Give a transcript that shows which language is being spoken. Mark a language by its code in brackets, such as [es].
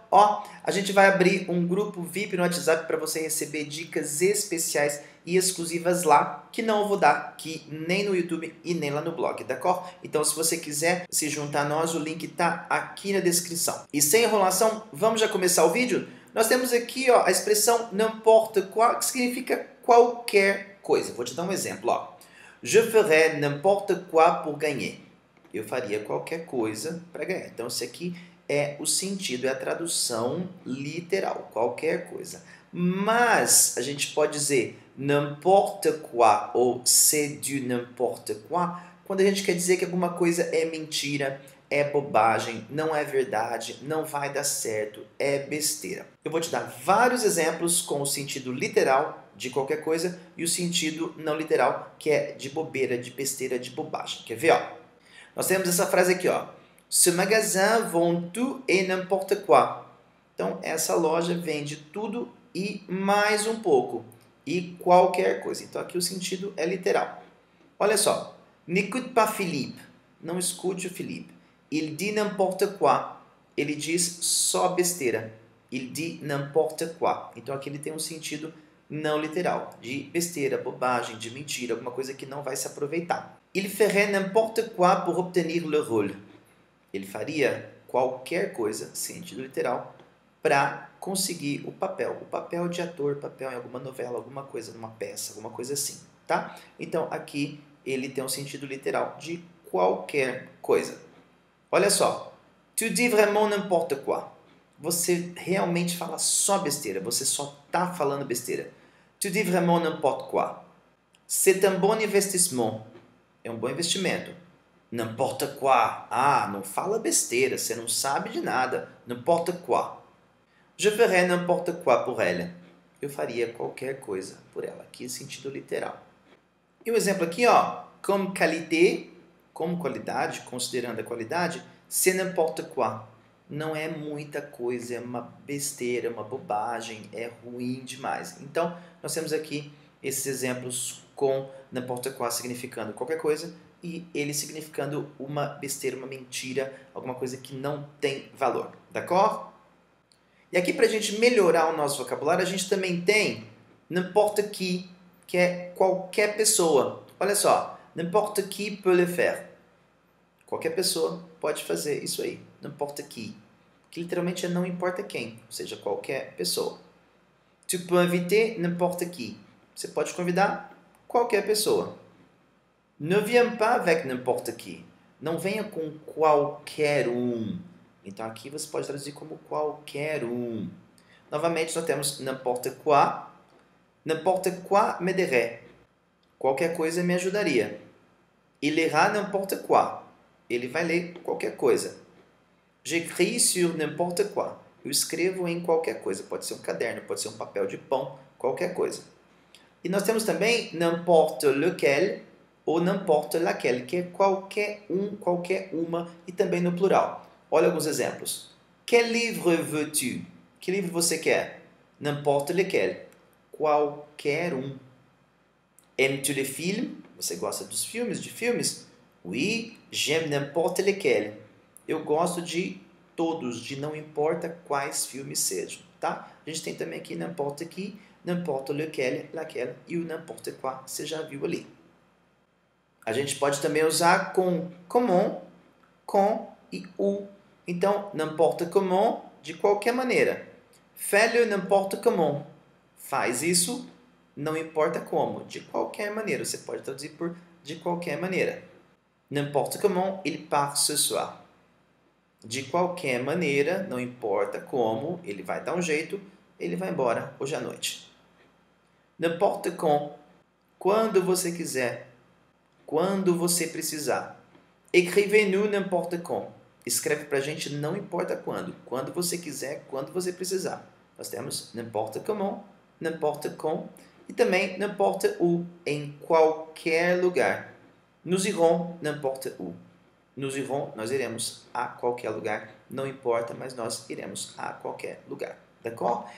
[pt] Ó, a gente vai abrir um grupo VIP no WhatsApp para você receber dicas especiais e exclusivas lá, que não vou dar aqui nem no YouTube e nem lá no blog, d'accord? Então, se você quiser se juntar a nós, o link está aqui na descrição. E sem enrolação, vamos já começar o vídeo? Nós temos aqui, ó, a expressão n'importe quoi, que significa qualquer coisa. Vou te dar um exemplo, ó. [fr] Je ferai n'importe quoi pour gagner. [pt] Eu faria qualquer coisa para ganhar. Então, isso aqui é o sentido, é a tradução literal, qualquer coisa. Mas a gente pode dizer n'importe quoi ou [fr] c'est du n'importe quoi [pt] quando a gente quer dizer que alguma coisa é mentira, é bobagem, não é verdade, não vai dar certo, é besteira. Eu vou te dar vários exemplos com o sentido literal de qualquer coisa e o sentido não literal, que é de bobeira, de besteira, de bobagem. Quer ver, ó? Nós temos essa frase aqui, ó. [fr] Ce magasin vend tout et n'importe quoi. [pt] Então, essa loja vende tudo e mais um pouco, e qualquer coisa. Então, aqui o sentido é literal. Olha só. [fr] N'écoute pas Philippe. [pt] Não escute o Philippe. [fr] Il dit n'importe quoi. [pt] Ele diz só besteira. [fr] Il dit n'importe quoi. [pt] Então, aqui ele tem um sentido não literal, de besteira, bobagem, de mentira, alguma coisa que não vai se aproveitar. [fr] Il ferait n'importe quoi pour obtenir le rôle. [pt] Ele faria qualquer coisa, sentido literal, para conseguir o papel de ator, papel em alguma novela, alguma coisa, numa peça, alguma coisa assim, tá? Então aqui ele tem um sentido literal de qualquer coisa. Olha só, [fr] tu dis vraiment n'importe quoi. [pt] Você realmente fala só besteira, você só tá falando besteira. [fr] Tu dis vraiment n'importe quoi. C'est un bon investissement. [pt] É um bom investimento. [fr] N'importe quoi. [pt] Ah, não fala besteira, você não sabe de nada. [fr] N'importe quoi. Je ferai n'importe quoi pour elle. [pt] Eu faria qualquer coisa por ela. Aqui, sentido literal. E um exemplo aqui, ó. [fr] Comme qualité, [pt] como qualidade, considerando a qualidade, [fr] c'est n'importe quoi. [pt] Não é muita coisa, é uma besteira, uma bobagem, é ruim demais. Então, nós temos aqui esses exemplos com n'importe quoi significando qualquer coisa. E ele significando uma besteira, uma mentira, alguma coisa que não tem valor, d'accord? E aqui para a gente melhorar o nosso vocabulário, a gente também tem n'importe qui, que é qualquer pessoa. Olha só, [fr] n'importe qui peut le faire. [pt] Qualquer pessoa pode fazer isso aí, n'importe qui. Que literalmente é não importa quem, ou seja, qualquer pessoa. [fr] Tu peux inviter n'importe qui. [pt] Você pode convidar qualquer pessoa. [fr] Ne viens pas avec n'importe qui. [pt] Não venha com qualquer um. Então aqui você pode traduzir como qualquer um. Novamente nós temos n'importe quoi. [fr] N'importe quoi m'aiderait. [pt] Qualquer coisa me ajudaria. [fr] Il ira n'importe quoi. [pt] Ele vai ler qualquer coisa. [fr] J'écris sur n'importe quoi. [pt] Eu escrevo em qualquer coisa. Pode ser um caderno, pode ser um papel de pão, qualquer coisa. E nós temos também n'importe lequel. Ou n'importe laquelle, que é qualquer um, qualquer uma, e também no plural. Olha alguns exemplos. [fr] Quel livre veux-tu? [pt] Que livro você quer? [fr] N'importe lequel. [pt] Qualquer um. [fr] Aimes-tu les films? [pt] Você gosta dos filmes, de filmes? [fr] Oui, j'aime n'importe lequel. [pt] Eu gosto de todos, de não importa quais filmes sejam, tá? A gente tem também aqui n'importe qui, n'importe lequel, laquelle e o n'importe quoi, você já viu ali. A gente pode também usar com comum, com e o. Então, n'importe comment, de qualquer maneira. [fr] Fais-le n'importe comment. [pt] Faz isso, não importa como, de qualquer maneira. Você pode traduzir por de qualquer maneira. [fr] N'importe comment, il part ce soir. [pt] De qualquer maneira, não importa como, ele vai dar um jeito, ele vai embora hoje à noite. [fr] N'importe quand, [pt] quando você quiser. Quando você precisar. [fr] Écrivez-nous n'importe quand. [pt] Escreve pra gente não importa quando. Quando você quiser, quando você precisar. Nós temos n'importe comment, n'importe quand. E também n'importe où. Em qualquer lugar. [fr] Nous irons n'importe où. Nous irons, [pt] nós iremos a qualquer lugar. Não importa, mas nós iremos a qualquer lugar. D'accord?